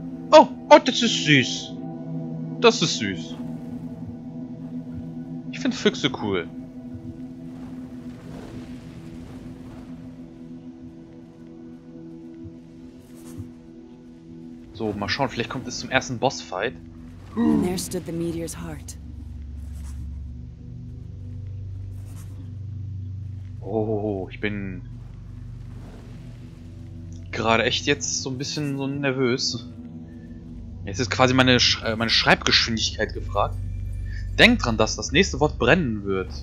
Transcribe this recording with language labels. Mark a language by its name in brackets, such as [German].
[German] Oh, das ist süß. Das ist süß. Ich finde Füchse cool. So, mal schauen, vielleicht kommt es zum ersten Bossfight. [English] There stood the meteor's heart. [German] Oh, ich bin gerade echt jetzt so ein bisschen so nervös. Jetzt ist quasi meine Schreibgeschwindigkeit gefragt. Denk dran, dass das nächste Wort brennen wird.